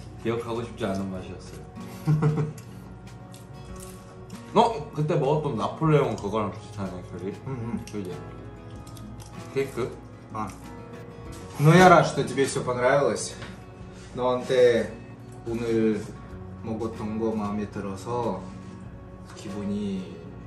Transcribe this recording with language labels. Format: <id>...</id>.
<ko>기억하고 싶지 않은 맛이었어요. 어? 그때 먹었던 나폴레옹 그거랑 비슷하네, 결이. 그지? 케이크? 아.</ko> <ru>Ну я рад, что тебе все понравилось.</ru> <ko>너한테 오늘 먹었던 거 마음에 들어서 기분이</ko>